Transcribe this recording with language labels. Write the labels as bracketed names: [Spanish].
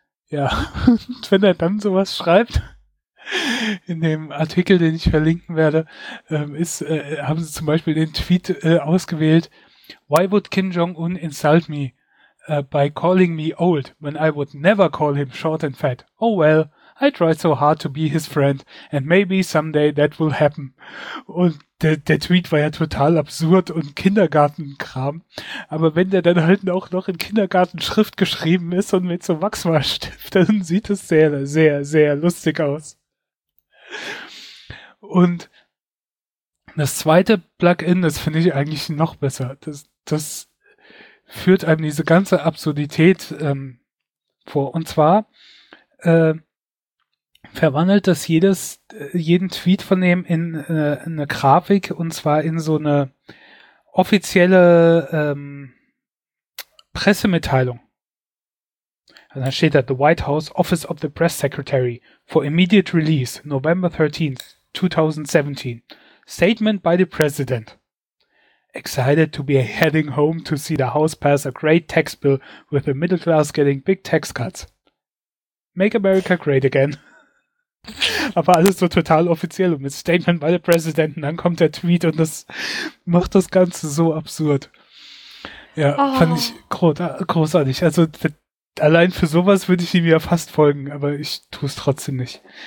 [German] Ja, und wenn er dann sowas schreibt, in dem Artikel, den ich verlinken werde, haben sie zum Beispiel den Tweet ausgewählt: [English] Why would Kim Jong-un insult me by calling me old when I would never call him short and fat? Oh well, I tried so hard to be his friend and maybe someday that will happen. [German] Und der Tweet war ja total absurd und Kindergartenkram. Aber wenn der dann halt auch noch in Kindergartenschrift geschrieben ist und mit so Wachsmalstift, dann sieht es sehr, sehr, sehr lustig aus. Und das zweite Plugin, das finde ich eigentlich noch besser. Das führt einem diese ganze Absurdität vor. Und zwar verwandelt das jeden Tweet von dem in eine Grafik, und zwar in so eine offizielle Pressemitteilung. Und dann steht da: [English] The White House Office of the Press Secretary for immediate release, November 13th, 2017. Statement by the President. Excited to be heading home to see the House pass a great tax bill with the middle class getting big tax cuts. Make America great again. [German] Aber alles so total offiziell und mit [English] Statement by the President. [German] Dann kommt der Tweet und das macht das Ganze so absurd. Ja, oh. Fand ich großartig. Also allein für sowas würde ich ihm ja fast folgen, aber ich tue es trotzdem nicht.